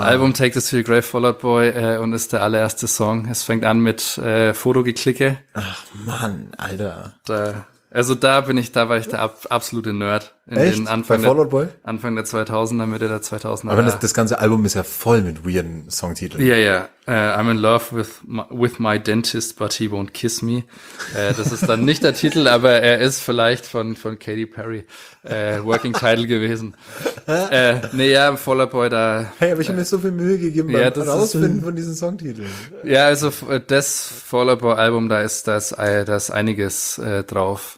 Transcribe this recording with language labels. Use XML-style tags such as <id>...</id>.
<de>Album Take This To Your Grave, Fall Out Boy, und ist der allererste Song. Es fängt an mit Fotogeklicke. Ach Mann, Alter. Da war ich der absolute Nerd. Bei Fall Out Boy? Anfang der 2000er, Mitte der 2000er. Aber das ganze Album ist ja voll mit weirden Songtiteln. Ja.</de> <en>I'm in love with my dentist, but he won't kiss me.</en> <de>Das ist dann nicht der Titel, aber er ist vielleicht von Katy Perry Working Title gewesen. Fall Out Boy da. Hey, aber ich habe mir so viel Mühe gegeben beim Herausfinden von diesen Songtiteln. Ja, also das Fall Out Boy Album, da ist einiges drauf.</de>